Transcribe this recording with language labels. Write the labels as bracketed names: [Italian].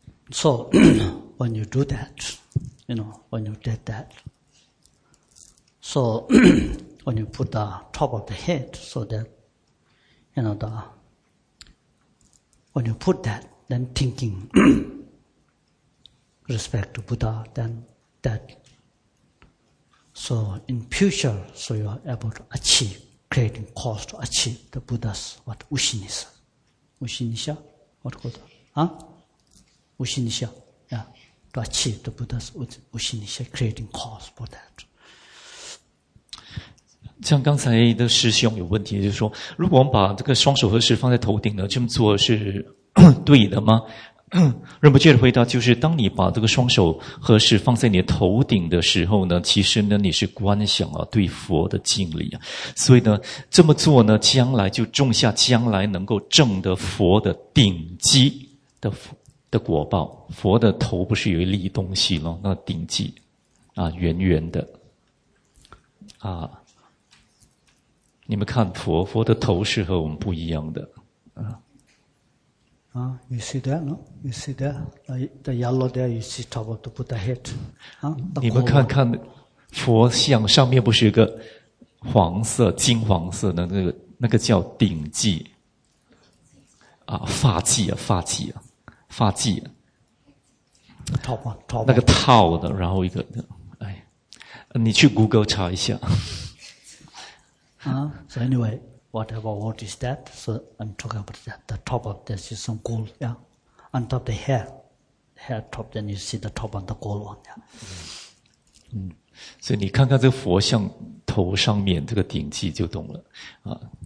[English] So when you do that, you know, when you did that, so when you put the top of the head, so that, you know, the, when you put that, then thinking respect to Buddha, then that,So in future, so you are able to achieve, creating cause to achieve the Buddha's what Ushinisha. Ushinisha? What called? Huh? Ushinisha. Yeah. To achieve the Buddha's Ushinisha, creating cause for that. [Chinese] 像刚才的师兄有问题，就是说，如果我们把这个双手合十放在头顶呢，这么做是对的吗？仁波切的回答就是：当你把这个双手合十放在你的头顶的时候呢，其实呢你是观想啊对佛的敬礼啊，所以呢这么做呢，将来就种下将来能够证得佛的顶基的果报。佛的头不是有一粒东西咯，那顶基啊，圆圆的啊，你们看佛的头是和我们不一样的啊。 [English] You see that, no? You see that? The yellow there, you see top of the Buddha head.、 [Chinese] 你们看看佛像上面不是一个黄色、金黄色的那个叫顶髻啊，发髻啊，发髻啊，发髻、啊。 [English] Top one, top one. [Chinese] 那个套的，然后一个，哎，你去 Google 查一下。 [English] So anyway. Whatever, what is that? So I'm talking about that. The top of this is some gold, yeah. On top of the hair, hair top, then you see the top of the gold one, yeah. [Chinese] 所以你看看这个佛像头上面这个顶髻就懂了啊。